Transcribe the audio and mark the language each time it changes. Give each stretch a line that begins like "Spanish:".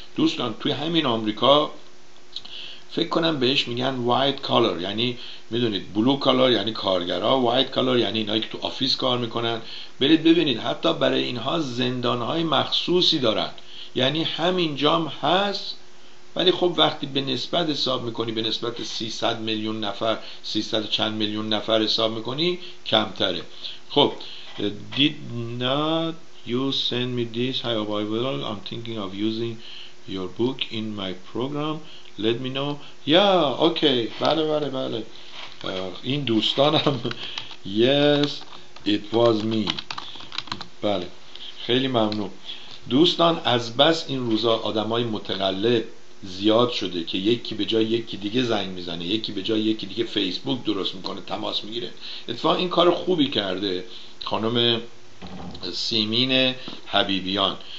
Persian: دوستان توی همین آمریکا فکر کنم بهش میگن وایت کالر، یعنی میدونید بلو کالر یعنی کارگرا، وایت کالر یعنی اینایی که تو آفیس کار میکنن. برید ببینید حتی برای اینها زندانهای مخصوصی دارن، یعنی همین جام هست. ولی خب وقتی به نسبت حساب میکنی، به نسبت 300 میلیون نفر، 300 چند میلیون نفر حساب میکنی، کمتره.
English: خب did not you send me this hi overall I'm thinking of using your book in my program let me know yeah okay
Persian: بله بله بله این دوستانم
English: yes it was me
Persian: بله خیلی ممنون. دوستان از بس این روزا آدمای متقلب زیاد شده که یکی به جای یکی دیگه زنگ میزنه، یکی به جای یکی دیگه فیسبوک درست میکنه، تماس میگیره. اتفاق این کار خوبی کرده خانم سیمین حبیبیان.